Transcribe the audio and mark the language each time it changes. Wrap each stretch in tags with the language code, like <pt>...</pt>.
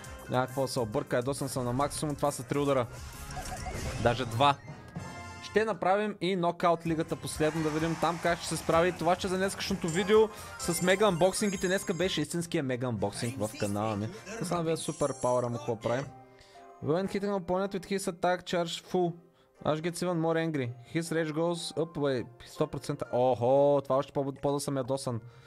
<bg>Няма какво се обърка, ядосан съм на максимум, това са 3 удара. Даже 2. Ще направим и нокаут лигата последно, да видим там как ще се справи. Това ще за днескашното видео с мега анбоксингите. Днеска беше истинския мега анбоксинг в канала ми. Не знам бе супер пауъра му какво правим.</bg> <en>When hitting opponent with his attack charge full, Ash gets even more angry. His rage goes up by 100%.</en> <bg>Охо, това още по-да съм ядосан.</bg>